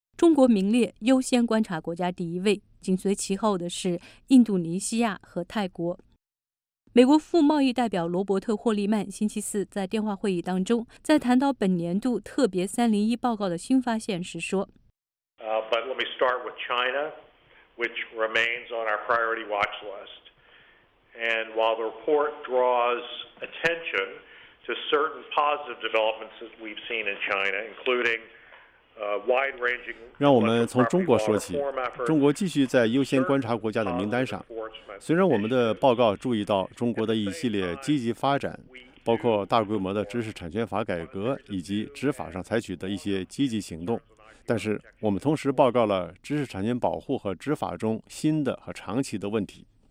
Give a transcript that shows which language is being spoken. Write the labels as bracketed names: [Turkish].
[Chinese] 中国名列优先观察国家第一位，紧随其后的是印度尼西亚和泰国。美国副贸易代表罗伯特·霍利曼星期四在电话会议当中，在谈到本年度特别301报告的新发现时说 [English] But let me start with China, which remains on our priority watch list. And while the report draws attention to certain positive developments that we've seen in China, including wide-ranging [Chinese] 让我们从中国说起。中国继续在优先观察国家的名单上。虽然我们的报告注意到中国的一系列积极发展，包括大规模的知识产权法改革以及执法上采取的一些积极行动。但是我们同时报告了知识产权保护和执法中新的和长期的问题。